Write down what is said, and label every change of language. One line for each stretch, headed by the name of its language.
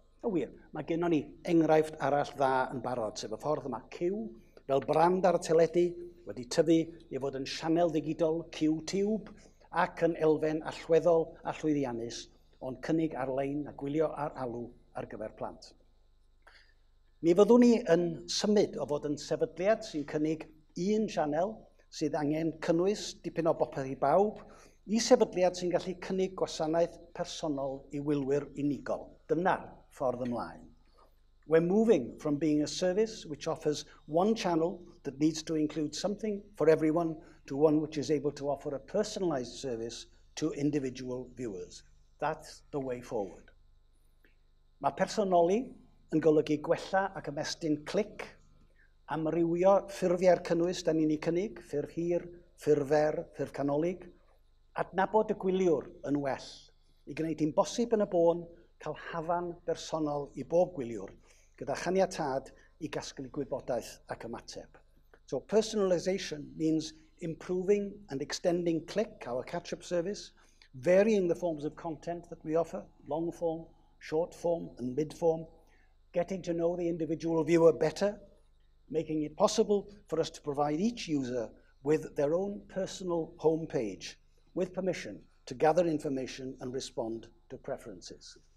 Welsh: O wir, mae gennym ni enghraifft arall dda yn barod, sef y ffordd yma cyw, fel brand ar y teledu, wedi tyfu i fod yn sianel digidol Q-tube ac yn elfen allweddol a llwyddiannus, ond cynnig arlein a gwylio ar alw ar gyfer plant. Mi fyddwn ni yn symud o fod yn sefydliad sy'n cynnig un sianel sydd angen cynnwys dipyn o bopeth i bawb, i sefydliad sy'n gallu cynnig gwasanaeth personol i wylwyr unigol. Dyna'r ffordd ymlaen.
English: We're moving from being a service which offers one channel that needs to include something for everyone to one which is able to offer a personalised service to individual viewers. That's the way forward.
Welsh: Mae personoli yn golygu gwella ac ymestyn clic, amrywio ffurfiau'r cynnwys dan ni'n ei cynnig, ffurf hir, ffurf fer, ffurf canolig, adnabod y gwyliwr yn well, i gwneud hi'n bosib yn y bôn cael hafan bersonol i bob gwyliwr, gyda chaniatâd i gasglu gwybodaeth ac ymateb.
English: So personalization means improving and extending click, our catch-up service, varying the forms of content that we offer, long form, short form and mid form, getting to know the individual viewer better, making it possible for us to provide each user with their own personal homepage, with permission to gather information and respond to preferences.